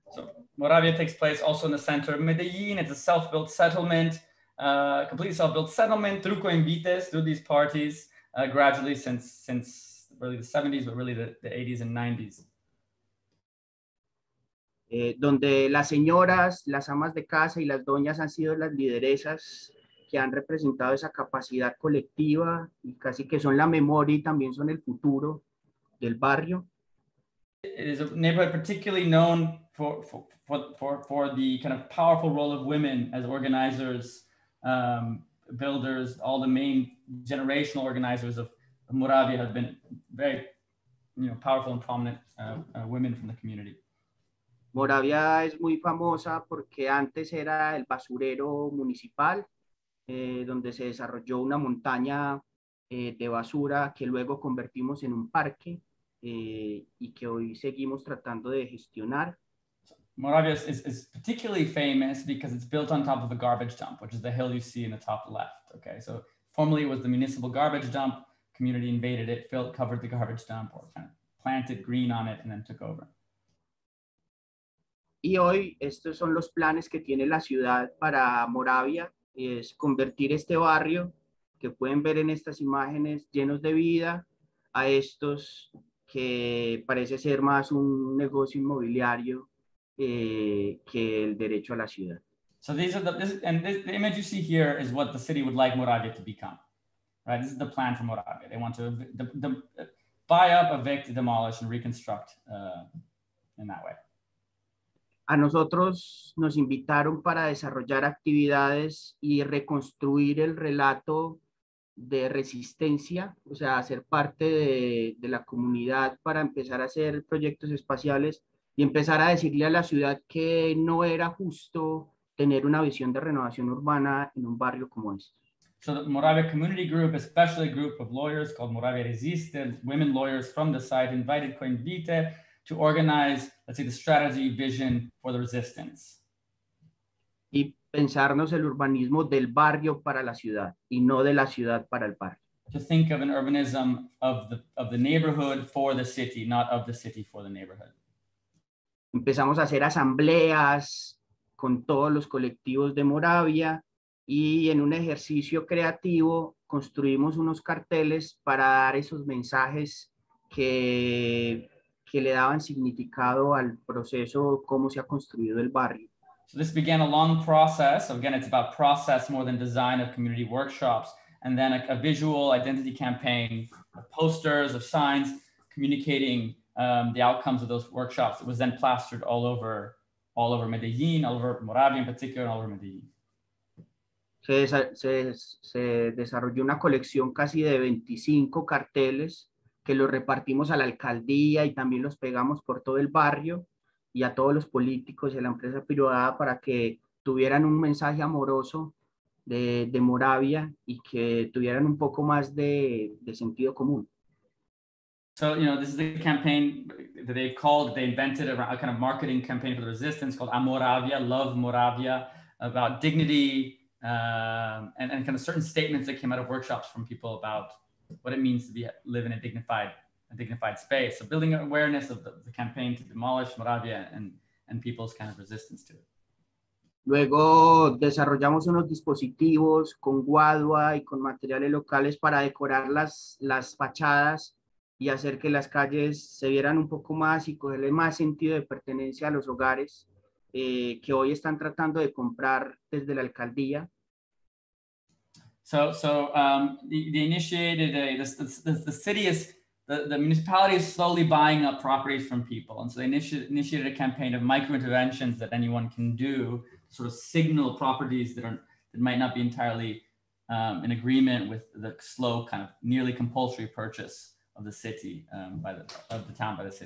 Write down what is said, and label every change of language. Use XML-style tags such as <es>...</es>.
<en>So, Moravia takes place also in the center of Medellín. It's a self-built settlement, completely self-built settlement through coinvites, through these parties, gradually since really the 70s, but really the 80s and 90s.</en> <es>Donde las señoras, las amas de casa y las doñas han sido las lideresas que han representado esa capacidad colectiva y casi que son la memoria y también son el futuro del barrio.</es> <en>It is a neighborhood particularly known for the kind of powerful role of women as organizers, builders, all the main generational organizers of Moravia have been very, you know, powerful and prominent women from the community.</en> <es>Moravia es muy famosa porque antes era el basurero municipal, donde se desarrolló una montaña de basura que luego convertimos en un parque y que hoy seguimos tratando de gestionar.</es> <en>Moravia is particularly famous because it's built on top of a garbage dump, which is the hill you see in the top left. Okay, so formerly it was the municipal garbage dump. Community invaded it, filled, covered the garbage dump, or kind of planted green on it, and then took over.</en> <es>Y hoy estos son los planes que tiene la ciudad para Moravia, es convertir este barrio que pueden ver en estas imágenes llenos de vida a estos que parece ser más un negocio inmobiliario que el derecho a la ciudad.</es> <en>So these are the image you see here is what the city would like Moravia to become, right? This is the plan for Moravia. They want to buy up, evict, demolish, and reconstruct in that way.</en> <es>A nosotros nos invitaron para desarrollar actividades y reconstruir el relato de resistencia, o sea, hacer parte de la comunidad para empezar a hacer proyectos espaciales y empezar a decirle a la ciudad que no era justo tener una visión de renovación urbana en un barrio como este.</es> <en>So the Moravia Community Group, especially a group of lawyers called Moravia Resistance, women lawyers from the site, invited Coinvite to organize, let's say, the strategy vision for the resistance.</en> <es>Y pensarnos el urbanismo del barrio para la ciudad y no de la ciudad para el barrio.</es> <en>To think of an urbanism of the neighborhood for the city, not of the city for the neighborhood.</en> <es>Empezamos a hacer asambleas con todos los colectivos de Moravia y en un ejercicio creativo construimos unos carteles para dar esos mensajes que le daban significado al proceso cómo se ha construido el barrio.</es> <en>So this began a long process. So again, it's about process more than design of community workshops, and then a visual identity campaign of posters, of signs, communicating the outcomes of those workshops. It was then plastered all over Medellín, all over Moravia in particular, and all over Medellín.</en> <es>Se desarrolló una colección casi de 25 carteles que los repartimos a la alcaldía y también los pegamos por todo el barrio y a todos los políticos y a la empresa privada para que tuvieran un mensaje amoroso de Moravia y que tuvieran un poco más de sentido común.</es> <en>So, you know, this is a campaign that they called, they invented a kind of marketing campaign for the resistance called Amoravia, Love Moravia, about dignity and kind of certain statements that came out of workshops from people about what it means to be live in a dignified space. So building awareness of the campaign to demolish Moravia and people's kind of resistance to it.</en> <es>Luego desarrollamos unos dispositivos con guadua y con materiales locales para decorar las fachadas y hacer que las calles se vieran un poco más y cogerle más sentido de pertenencia a los hogares que hoy están tratando de comprar desde la alcaldía.</es> <en>So the initiated the city is the municipality is slowly buying up properties from people, and so they initiated a campaign of micro interventions that anyone can do, sort of signal properties that might not be entirely in agreement with the slow kind of nearly compulsory purchase of the city by the town.</en>